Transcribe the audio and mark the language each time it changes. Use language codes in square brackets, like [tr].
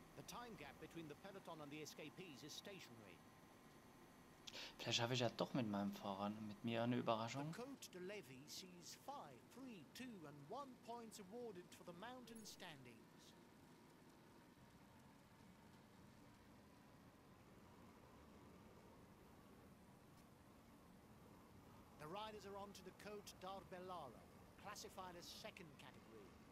[en] Time gap between the peloton and the escapees is stationary. [de] Vielleicht schaffe ich ja doch mit meinem Fahrer mit mir eine Überraschung. [en] The Côte de Levy sees 5, 3, 2 and 1 points awarded for the mountain standings. The riders are on to the Côte d'Arbellara, classified as second category.